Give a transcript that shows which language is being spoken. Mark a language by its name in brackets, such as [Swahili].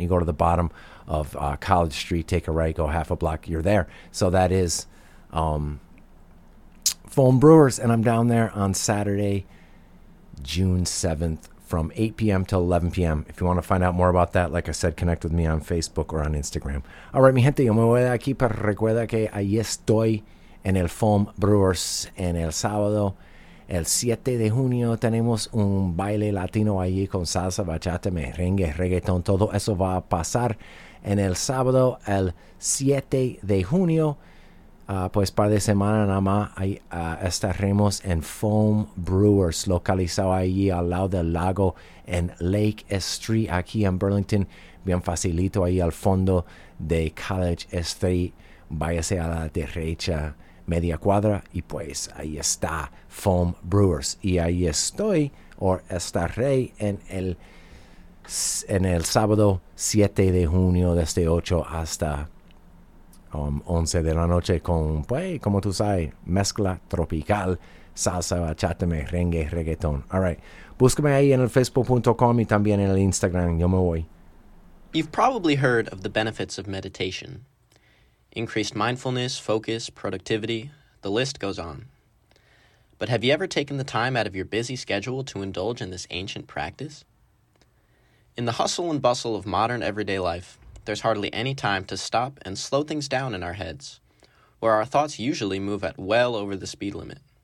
[English] You go to the bottom of College Street, take a right, go half a block, you're there. So that is Foam Brewers, and I'm down there on Saturday, June 7th, from 8 p.m. till 11 p.m. If you want to find out more about that, like I said, connect with me on Facebook or on Instagram. All right, [Spanish] mi gente, yo me voy de aquí, pero recuerda que ahí estoy en el Foam Brewers en el sábado, el 7 de junio. Tenemos un baile latino allí con salsa, bachata, merengue, reggaeton. Todo eso va a pasar en el sábado, el 7 de junio. Pues par de semanas nada más estaremos en Foam Brewers, localizado allí al lado del lago en Lake Street, aquí en Burlington. Bien facilito, ahí al fondo de College Street. Váyase a la derecha media cuadra y pues ahí está Foam Brewers. Y ahí estoy, o estaré en el sábado 7 de junio, desde 8 hasta 11 de la noche, con, pues, como tú sabes, mezcla tropical, salsa, bachata, merengue, reggaeton. [English] All right. [Spanish] Búscame ahí en el Facebook.com y también en el Instagram. Yo me voy. [English] You've probably heard of the benefits of meditation. Increased mindfulness, focus, productivity, the list goes on. But have you ever taken the time out of your busy schedule to indulge in this ancient practice? In the hustle and bustle of modern everyday life, there's hardly any time to stop and slow things down in our heads, where our thoughts usually move at well over the speed limit.